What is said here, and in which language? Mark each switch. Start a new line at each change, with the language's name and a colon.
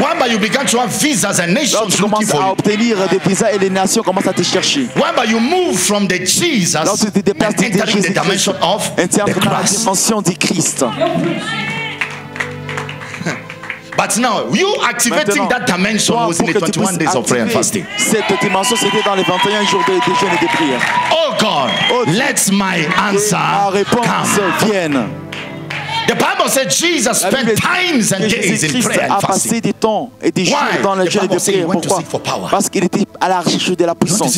English: When you began to have visas and nations looking for you.
French: Lorsque tu commences à obtenir des visas et les nations commencent à te chercher.
English: When you move from the Jesus.
French: Lorsque tu te déplaces de Jésus.
English: The dimension of the Christ.
French: La dimension du Christ.
English: But now you activating that dimension was in the 21 days of prayer and fasting.
French: Cette dimension c'était dans les 21 jours de jeûne et de prière.
English: Oh God, let my answer come. The Bible said Jesus spent times and days in prayer and fasting.
French: A passé des temps et des jours dans le jeûne et de prière. Pourquoi? Parce qu'il était à la recherche de la puissance.